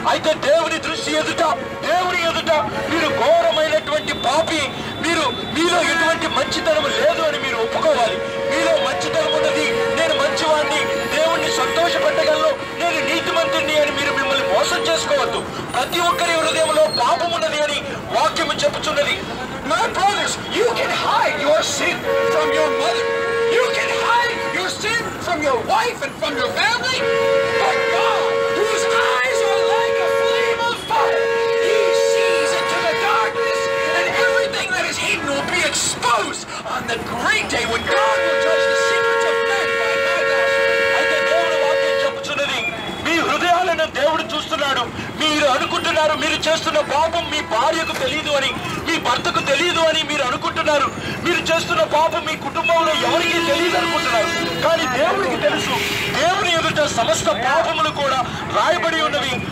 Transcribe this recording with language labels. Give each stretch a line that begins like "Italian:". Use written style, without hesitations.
Telugu: అయితే దేవుని దృష్టి ఎదుట, దేవుని ఎదుట మీరు ఘోరమైనటువంటి పాపి. మీరు మీలో ఎటువంటి మంచితనం లేదు అని మీరు ఒప్పుకోవాలి. మీలో మంచితనం ఉన్నది, నేను మంచివాడిని, దేవుణ్ణి సంతోషపెట్టగలను, నేను నీతిమంతుణ్ణి అని మీరు మిమ్మల్ని మోసం చేసుకోవద్దు. ప్రతి ఒక్కరి హృదయంలో పాపం ఉన్నది అని వాక్యము చెప్పుచున్నది.
English: My brothers, you can hide your sin from your mother. You can hide your sin from your wife and from your family. But God, whose eyes are like a flame of fire, he sees into the darkness, and everything that is hidden will be exposed on the great day when God will judge the secrets of men by my gospel.
Telugu: అయితే దేవుడు వాక్యం చెప్పుచున్నది, మీ హృదయాలను దేవుడు చూస్తున్నాడు. మీరు అనుకుంటున్నారు మీరు చేస్తున్న పాపం మీ భార్యకు తెలియదు అని, మీ భర్తకు తెలియదు అని మీరు అనుకుంటున్నారు. మీరు చేస్తున్న పాపం మీ కుటుంబంలో ఎవరికి తెలియదు అనుకుంటున్నారు. కానీ దేవుడికి తెలుసు. దేవుని ఎదుట సమస్త పాపములు కూడా రాయబడి ఉన్నవి.